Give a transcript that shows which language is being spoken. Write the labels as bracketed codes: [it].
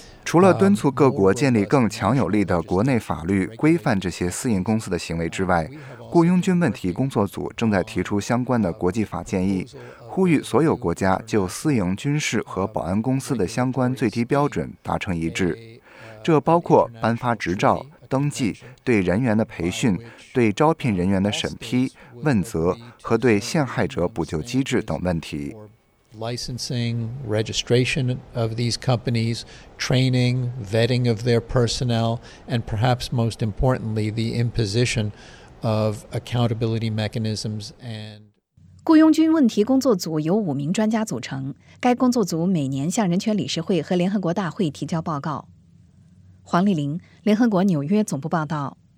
[zh] 除了敦促各国建立更强有力的国内法律规范这些私营公司的行为之外，雇佣军问题工作组正在提出相关的国际法建议，呼吁所有国家就私营军事和保安公司的相关最低标准达成一致，这包括颁发执照、登记、对人员的培训、对招聘人员的审批、问责和对陷害者补救机制等问题。 [en] Licensing, registration of these companies, training, vetting of their personnel, and perhaps most importantly, the imposition of accountability mechanisms and [zh] 雇佣军问题工作组由五名专家组成，该工作组每年向人权理事会和联合国大会提交报告。黄丽玲，联合国纽约总部报道。